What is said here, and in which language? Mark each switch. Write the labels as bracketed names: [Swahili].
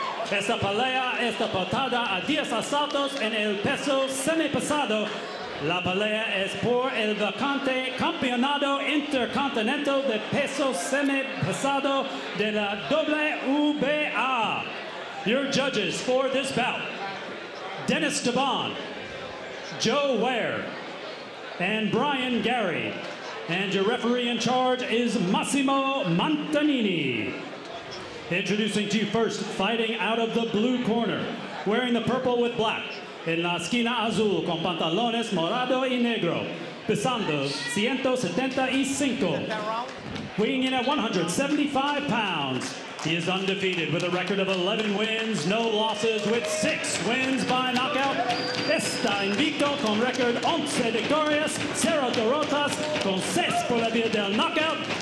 [Spanish] Esta pelea está pautada a 10 asaltos en el peso semipesado. La pelea es por el vacante campeonato intercontinental de peso semipesado de la WBA. [English] Your judges for this bout: Dennis DeBond, Joe Ware, and Brian Gary. And your referee in charge is Massimo Mantanini. Introducing to you first, fighting out of the blue corner, wearing the purple with black, [Spanish] en la esquina azul con pantalones morado y negro, pesando 175, [English] weighing in at 175 pounds. He is undefeated with a record of 11 wins, no losses, with 6 wins by knockout. [Spanish] Está invicto con record 11 victorias, 0 derrotas, con 6 por la vía del knockout.